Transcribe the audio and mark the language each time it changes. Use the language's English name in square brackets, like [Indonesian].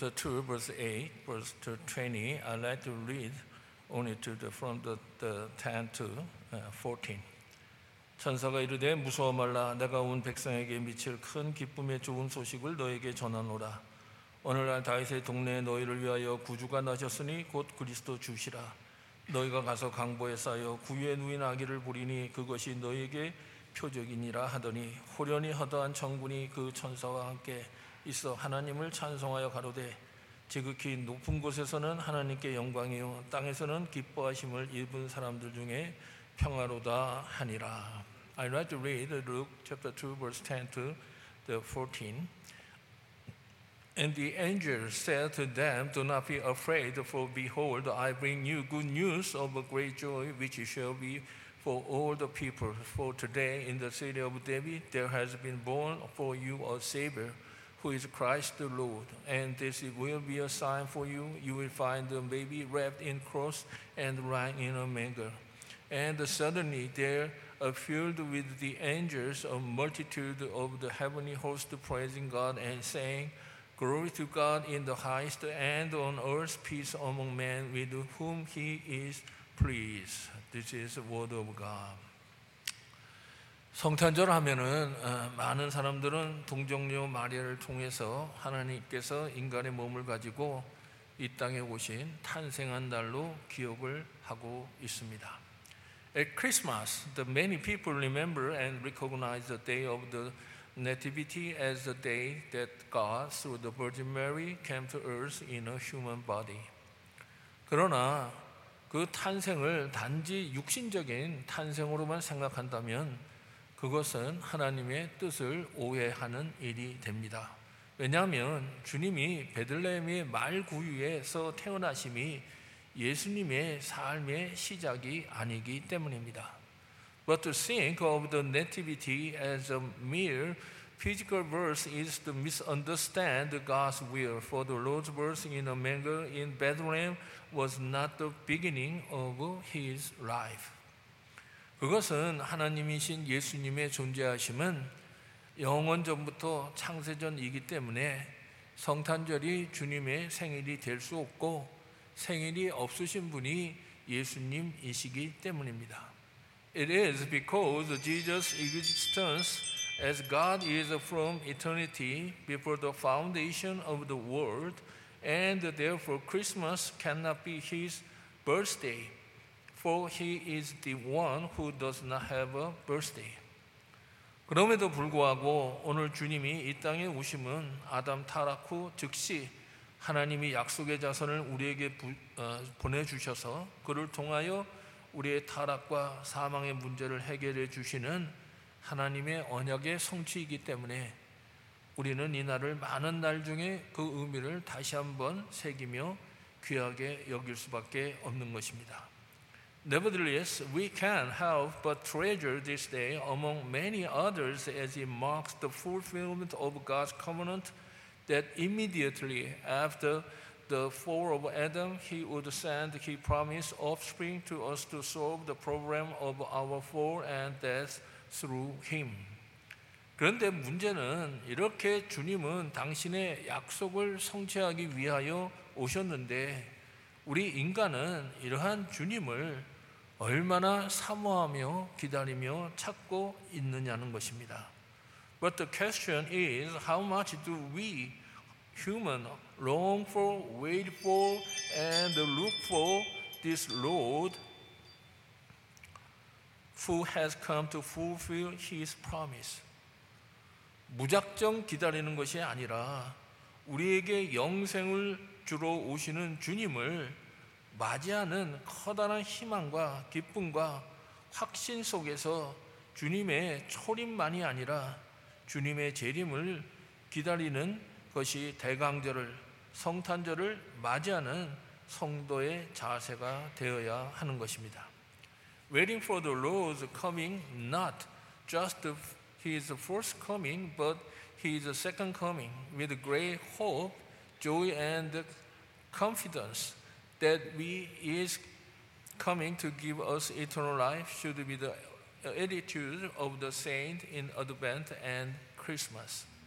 [English] The 2, verse 8, verse 20, I'd like to read only to the, from the 10 to 14. [Korean] 천사가 이르되 무서워 말라 내가 온 백성에게 미칠 큰 기쁨의 좋은 소식을 너에게 전하노라. 오늘날 다윗의 동네에 너희를 위하여 구주가 나셨으니 곧 그리스도 주시라. 너희가 가서 강보에 쌓여 구유에 누인 아기를 부리니 그것이 너희에게 표적이니라 하더니 호련히 허다한 천군이 그 천사와 함께 있어 하나님을 찬송하여 가로되 지극히 높은 곳에서는 하나님께 영광이요 땅에서는 기뻐하심을 입은 사람들 중에 평화로다 하니라. [English] I'd like to read Luke chapter 2 verse 10 to the 14. And the angel said to them, Do not be afraid, for behold, I bring you good news of a great joy, which shall be for all the people. For today in the city of David there has been born for you a Savior, who is Christ the Lord. And this will be a sign for you. You will find the baby wrapped in cloth and lying in a manger. And suddenly there appeared with the angels a multitude of the heavenly host praising God and saying, Glory to God in the highest and on earth peace among men with whom he is pleased. This is the word of God. [Korean] 성탄절 하면은 많은 사람들은 동정녀 마리아를 통해서 하나님께서 인간의 몸을 가지고 이 땅에 오신 탄생한 날로 기억을 하고 있습니다. [English] At Christmas, the many people remember and recognize the day of the Nativity as the day that God, through the Virgin Mary, came to earth in a human body. [Korean] 그러나 그 탄생을 단지 육신적인 탄생으로만 생각한다면 그것은 하나님의 뜻을 오해하는 일이 됩니다. 왜냐하면 주님이 베들레헴의 말 구유에서 태어나심이 예수님의 삶의 시작이 아니기 때문입니다. [English] But to think of the nativity as a mere physical birth is to misunderstand God's will. For the Lord's birth in a manger in Bethlehem was not the beginning of his life. [Korean] 그것은 하나님이신 예수님의 존재하심은 영원 전부터 창세전이기 때문에 성탄절이 주님의 생일이 될 수 없고 생일이 없으신 분이 예수님이시기 때문입니다. [English] It is because Jesus' existence as God is from eternity before the foundation of the world, and therefore Christmas cannot be his birthday, for he is the one who does not have a birthday. [Korean] 그럼에도 불구하고 오늘 주님이 이 땅에 오심은 아담 타락 후 즉시 하나님이 약속의 자손을 우리에게 보내주셔서 그를 통하여 우리의 타락과 사망의 문제를 해결해 주시는 하나님의 언약의 성취이기 때문에 우리는 이 날을 많은 날 중에 그 의미를 다시 한번 새기며 귀하게 여길 수밖에 없는 것입니다. [English] Nevertheless, we can't help but treasure this day among many others as it marks the fulfillment of God's covenant that immediately after the fall of Adam, he would send his promised offspring to us to solve the problem of our fall and death through him. [Korean] 그런데 문제는 이렇게 주님은 당신의 약속을 성취하기 위하여 오셨는데 우리 인간은 이러한 주님을 얼마나 사모하며 기다리며 찾고 있느냐는 것입니다. [English] But the question is, how much do we human long for, wait for, and look for this Lord who has come to fulfill his promise. [Korean] 무작정 기다리는 것이 아니라 우리에게 영생을 주러 오시는 주님을 맞이하는 커다란 희망과 기쁨과 확신 속에서 주님의 초림만이 아니라 주님의 재림을 기다리는 것이 대강절을 성탄절을 맞이하는 성도의 자세가 되어야 하는 것입니다. [English] Waiting for the Lord's coming, not just his first coming, but his second coming, with great hope, joy, and confidence that he is coming to give us eternal life should be the attitude of the saint in Advent and Christmas.